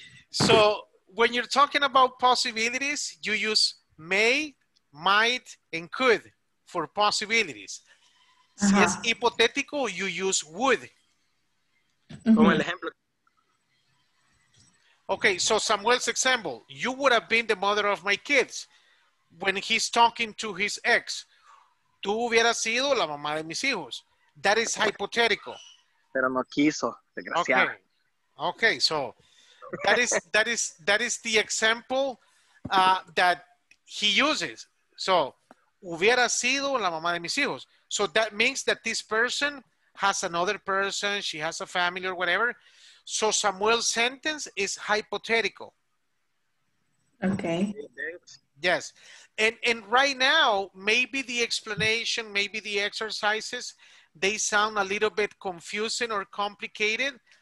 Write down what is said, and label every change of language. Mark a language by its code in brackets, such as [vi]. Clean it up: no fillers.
[en] So when you're talking about possibilities, you use may, might, and could for possibilities. [es] Uh-huh. Si es hipotético, [en] you use would. [es] Como el ejemplo. [en] Okay, so Samuel's example. You would have been the mother of my kids when he's talking to his ex. [es] Tú hubieras sido la mamá de mis hijos. [en] That is hypothetical. [es] Pero no quiso, desgraciado. [en] Okay, so that is the example that he uses. [es] So, hubiera sido la mamá de mis hijos. [en] So that means that this person has another person, she has a family or whatever. So Samuel's sentence is hypothetical. Okay. Yes. And right now, maybe the explanation, maybe the exercises, they sound a little bit confusing or complicated.